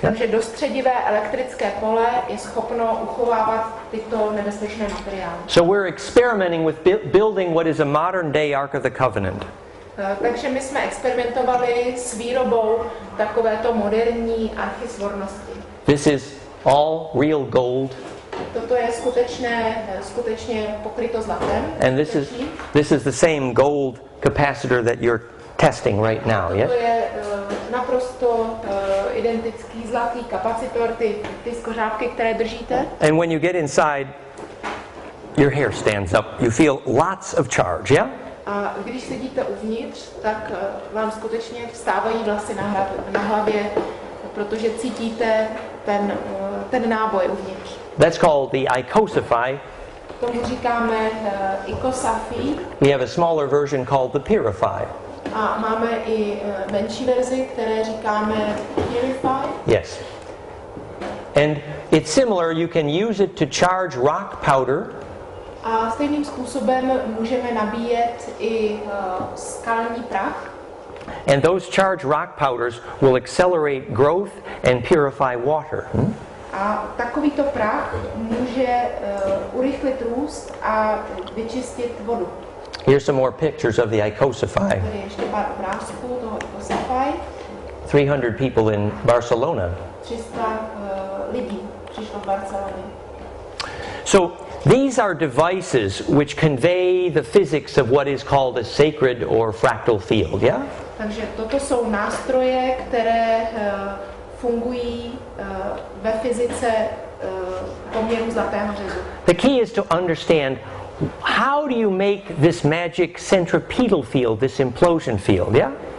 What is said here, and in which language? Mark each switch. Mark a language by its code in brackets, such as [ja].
[cs] Takže dostředivé elektrické pole je schopno uchovávat tyto nebezpečné materiály. [en] So we're experimenting with building what is a modern day Ark of the Covenant. [cs] Takže my jsme experimentovali s výrobou takovéto moderní archy svornosti. [en] This is all real gold. [cs] Toto je skutečně pokryto zlatem. [en] And this is the same gold capacitor that you're testing right now, yes? [cs] To je naprosto identický zlatý kapacitor, ty skořápky, které držíte. [en] And when you get inside, your hair stands up. You feel lots of charge, yeah? [cs] A když sedíte uvnitř, tak vám skutečně vstávají vlasy na hlavě, protože cítíte ten náboj uvnitř. [en] That's called the icosify. [cs] Tomu říkáme icosafy. [en] We have a smaller version called the purify. [cs] A máme i menší verzi, které říkáme purify. [en] Yes. And it's similar, you can use it to charge rock powder. [cs] A stejným způsobem můžeme nabíjet i skalní prach. [en] And those charged rock powders will accelerate growth and purify water. [cs] A takovýto prach může urychlit růst a vyčistit vodu. [en] Here's some more pictures of the icosify. [cs] Tady ještě pár obrázků toho icosify. [en] 300 people in Barcelona. [cs] 300 lidí přišlo v Barceloně. [en] So these are devices which convey the physics of what is called a sacred or fractal field, yeah? [cs] Takže toto jsou nástroje, které fungují ve fyzice poměru zlatého řezu. [en] The key is to understand, how do you make this magic centripetal field, this implosion field, yeah?